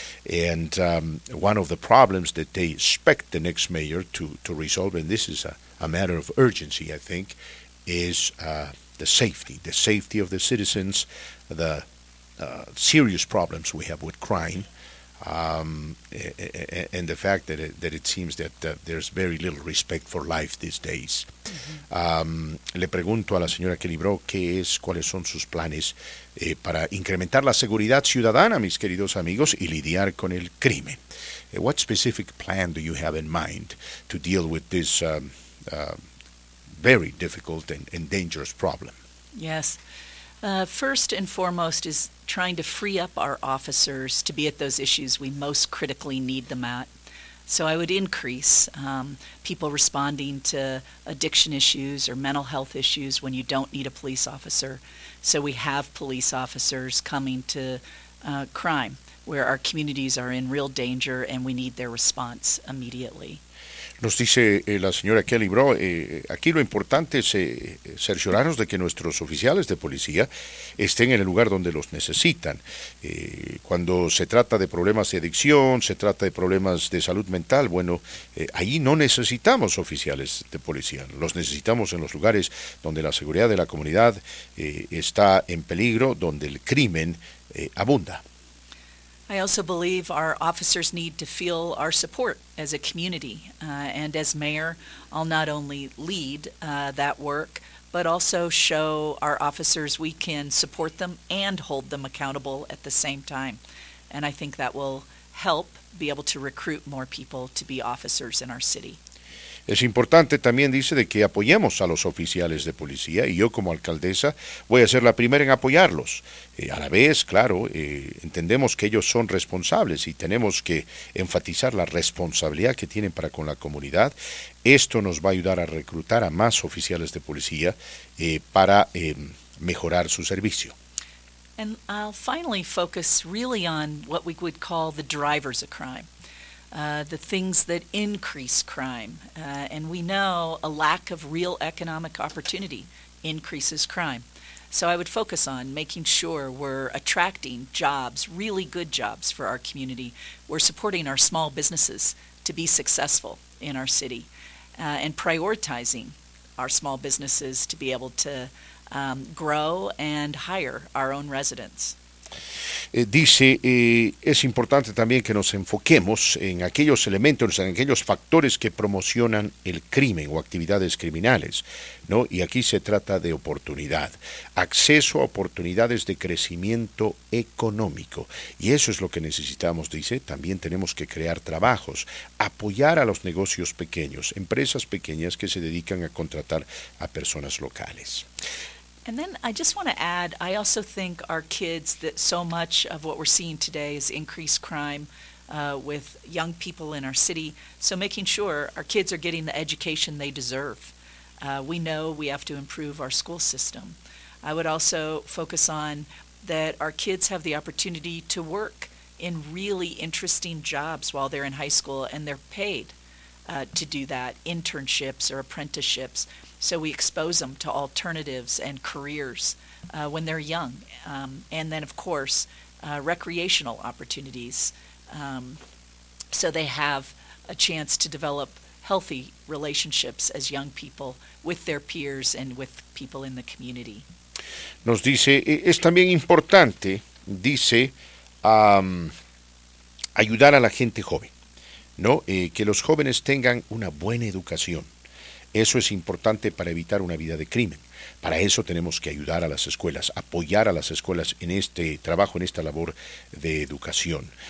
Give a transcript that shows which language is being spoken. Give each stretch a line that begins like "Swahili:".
English: And one of the problems that they expect the next mayor to resolve, and this is a matter of urgency, I think, is the safety of the citizens, the serious problems we have with crime, and the fact that it seems that there's very little respect for life these days. Mm-hmm.
Spanish: Le pregunto a la señora Kelly Brawl cuáles son sus planes para incrementar la seguridad ciudadana, mis queridos amigos, y lidiar con el crimen.
English: What specific plan do you have in mind to deal with this very difficult and dangerous problem? Yes. First and foremost is trying to free up our officers to be at those issues we most critically need them at. So I would increase people responding to addiction issues or mental health issues when you don't need a police officer. So we have police officers coming to crime where our communities are in real danger and we need their response immediately.
Spanish: Nos dice la señora Kelly Brawl, aquí lo importante es cerciorarnos de que nuestros oficiales de policía estén en el lugar donde los necesitan. Cuando se trata de problemas de adicción, se trata de problemas de salud mental, bueno, ahí no necesitamos oficiales de policía. Los necesitamos en los lugares donde la seguridad de la comunidad está en peligro, donde el crimen abunda.
English: I also believe our officers need to feel our support as a community. And as mayor, I'll not only lead that work, but also show our officers we can support them and hold them accountable at the same time. And I think that will help be able to recruit more people to be officers in our city.
Spanish: Es importante también, dice, de que apoyemos a los oficiales de policía y yo como alcaldesa voy a ser la primera en apoyarlos. A la vez, claro, entendemos que ellos son responsables y tenemos que enfatizar la responsabilidad que tienen para con la comunidad. Esto nos va a ayudar a reclutar a más oficiales de policía para mejorar su servicio.
English: And I'll finally focus really on what we would call the drivers of crime. The things that increase crime. And we know a lack of real economic opportunity increases crime. So I would focus on making sure we're attracting jobs, really good jobs for our community. We're supporting our small businesses to be successful in our city and prioritizing our small businesses to be able to grow and hire our own residents.
Spanish: Dice, es importante también que nos enfoquemos en aquellos elementos, en aquellos factores que promocionan el crimen o actividades criminales, ¿no? Y aquí se trata de oportunidad, acceso a oportunidades de crecimiento económico. Y eso es lo que necesitamos, dice, también tenemos que crear trabajos, apoyar a los negocios pequeños, empresas pequeñas que se dedican a contratar a personas locales.
English: And then I just want to add, I also think our kids, that so much of what we're seeing today is increased crime with young people in our city. So making sure our kids are getting the education they deserve. We know we have to improve our school system. I would also focus on that our kids have the opportunity to work in really interesting jobs while they're in high school, and they're paid to do that, internships or apprenticeships. So we expose them to alternatives and careers when they're young. And then, of course, recreational opportunities. So they have a chance to develop healthy relationships as young people with their peers and with people in the community.
Spanish: Nos dice, es también importante, dice, ayudar a la gente joven, ¿no? Que los jóvenes tengan una buena educación. Eso es importante para evitar una vida de crimen. Para eso tenemos que ayudar a las escuelas, apoyar a las escuelas en este trabajo, en esta labor de educación.